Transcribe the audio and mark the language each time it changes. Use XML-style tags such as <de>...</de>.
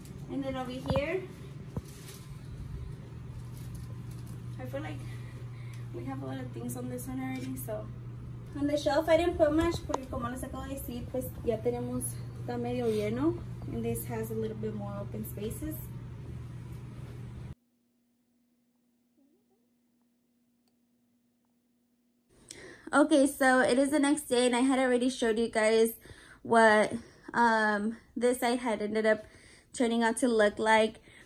<en>And then over here, I feel like we have a lot of things on this one already. So on the shelf, I didn't put much</en> <es>porque como les acabo de decir, pues ya tenemos está medio lleno.</es> <en>And this has a little bit more open spaces. Okay, so it is the next day and I had already showed you guys what this side had ended up turning out to look like.</en>